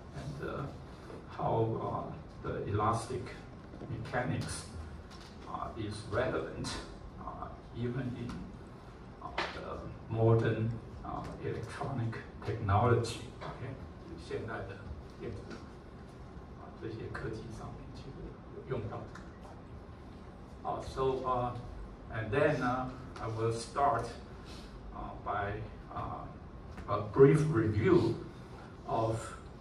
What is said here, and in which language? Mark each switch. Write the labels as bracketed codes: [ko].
[en] And how the elastic mechanics is relevant even in the modern electronic technology. [zh] Okay, 现在的电子这些科技上面其实有用到的。 [en] So and then I will start by a brief review of.